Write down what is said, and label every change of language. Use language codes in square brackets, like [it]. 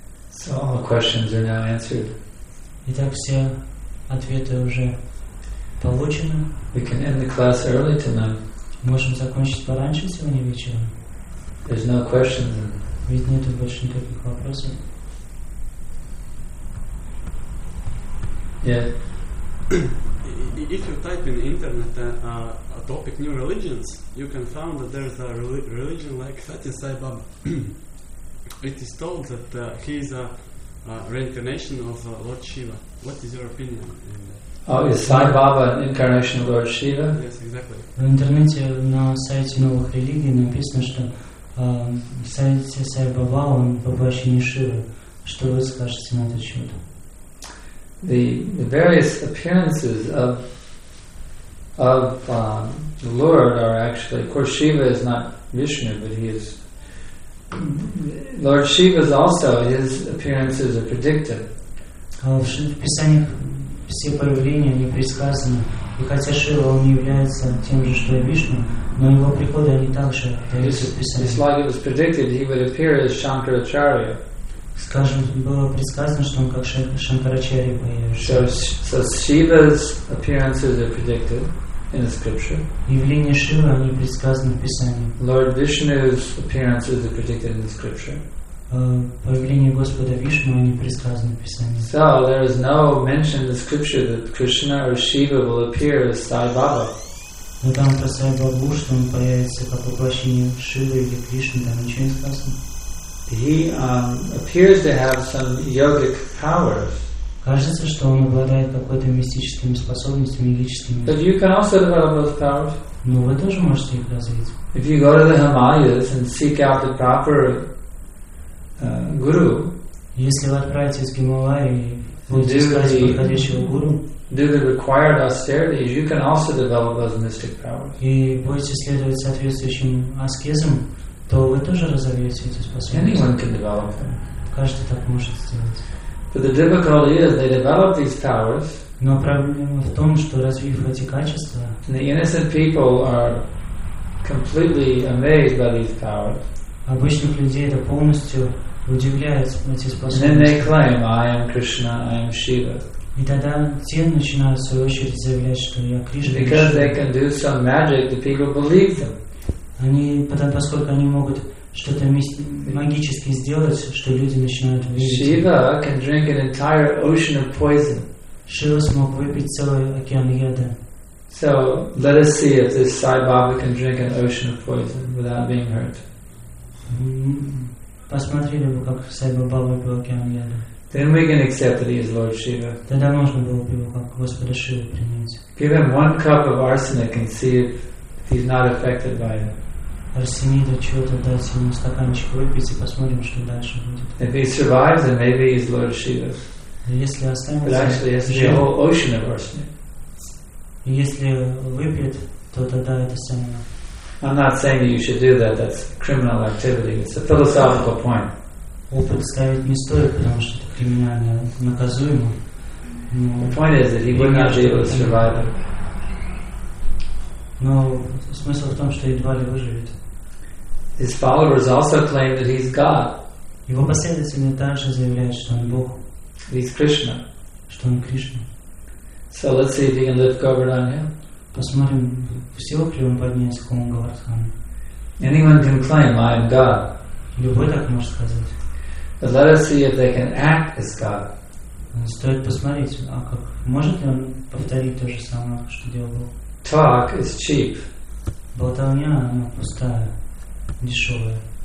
[en] So all the questions are now answered. [ru] Итак, все ответы уже получены. [en] We can end the class early tonight. [ru] Можем закончить пораньше сегодня вечером. [en] There's no questions. [ru] Ведь нету больше никаких вопросов. [en] Yeah. If you type in internet a topic new religions, you can find that there's a religion like Sati Sai Baba. It is told that he is a reincarnation of Lord Shiva. What is your opinion in that? Oh, is Sai Baba an incarnation of Lord Shiva? Yes, exactly. [ru] В интернете на сайте новых религий написано, что Сати Сай Баба он воплощение Шивы. Что вы скажете на этот счет? [en] The various appearances of the Lord are actually, of course, Shiva is not Vishnu, but he is. Lord Shiva is also, his appearances are predictive. [ru] В Писаниях все проявления не предсказаны. И хотя Шива он не является тем же, что и Вишну, но его приходы они также даются в Писаниях. [en] It's like it was predicted he would appear as Shankaracharya. [ru] Скажем, было предсказано, что он как Шанкарачарья появится. [en] So Shiva's appearances are predicted in the scripture. [ru] Явления Шивы, они предсказаны в Писании. [en] Lord Vishnu's appearances are predicted in the scripture. [ru] Появление Господа Вишну, они предсказаны в Писании. [en] So there is no mention in the scripture that Krishna or Shiva will appear as Sai Baba. [ru] Но там про Сай Бабу, что он появится как воплощение Шивы или Кришны, там ничего не сказано. [en] He appears to have some yogic powers. [ru] Кажется, что он обладает какой-то мистическими способностями, магическими. [en] But you can also develop those powers. [ru] Но вы тоже можете их развить. [en] If you go to the Himalayas and seek out the proper guru. [ru] Если вы отправитесь в Гималаи и будете искать подходящего гуру, [en] do the required austerities, you can also develop those mystic powers. [ru] И будете следовать соответствующим аскезам, то вы тоже разовьете эти способности. [en] Anyone can develop them. [ru] Каждый так может сделать. [en] But the difficulty is they develop these powers. [ru] Но проблема в том, что развив эти качества, [en] the innocent people are completely amazed by these powers. [ru] Обычных людей это полностью удивляет, эти способности. [en] And then they claim, I am Krishna, I am Shiva. [ru] И тогда те начинают в свою очередь заявлять, что я Кришна. [en] Because they can do some magic, the people believe them. [ru] Они, поскольку они могут что-то магически сделать, что люди начинают верить. [en] Shiva can drink an entire ocean of poison. [ru] Шива смог выпить целый океан яда. [en] So let us see if this Sai Baba can drink an ocean of poison without being hurt. [ru] Посмотрели бы, как Сай Баба выпил океан яда. [en] Then we can accept that he is Lord Shiva. [ru] Тогда можно было бы его как Господа Шиву принять. [en] Give him one cup of arsenic and see if he's not affected by it. [ru] Арсенида чего-то дать ему стаканчик выпить и посмотрим, что дальше будет. [en] If he survives, then maybe he's Lord Shiva. [ru] Если останется, [en] but actually, it's the whole ocean of arsenic. [ru] Если выпьет, то тогда это самое. [en] I'm not saying that you should do that. That's criminal activity. It's a philosophical point. [ru] Опыт ставить не стоит, потому что это криминально наказуемо. Но [en] the point is that he would not be able to survive. [ru] Но смысл в том, что едва ли выживет. [en] His followers also claim that he's God. [ru] Его последователи также заявляют, что он Бог. [en] He's Krishna. [ru] Что он Кришна. [en] So let's see if he can lift Govardhana. [ru] Посмотрим, в силах ли он поднять холм Говардхану. [en] Anyone can claim, I am God. [ru] Любой так может сказать. [en] But let us see if they can act as God. [ru] Стоит посмотреть, а как может ли он повторить то же самое, что делал? [en] Talk is cheap. [ru] Болтовня, она пустая, дешевая.